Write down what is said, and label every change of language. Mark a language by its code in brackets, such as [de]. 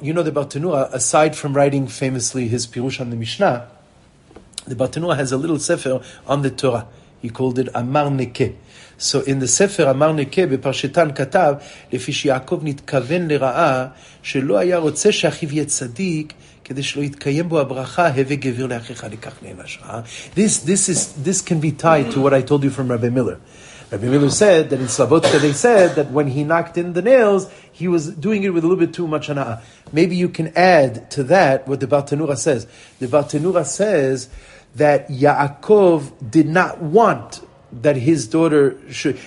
[en] You know the Barthenura, aside from writing famously his Pirush on the Mishnah, the Barthenura has a little sefer on the Torah. He called it Amar Neke. So in the sefer Amar Neke, [he] בפרשתן כתב, לפי שיעקב נתכוון לרעה, שלא היה רוצה שאחיו יהיה צדיק, כדי שלא יתקיים בו הברכה, הווה גביר לאחיך לקח נענש. [en] This can be tied to what I told you from Rabbi Miller. Rabbi Miller said that in Slavotka they said that when he knocked in the nails, he was doing it with a little bit too much hana'ah. Maybe you can add to that what the Barthenura says. The Barthenura says that Yaakov did not want that his daughter should...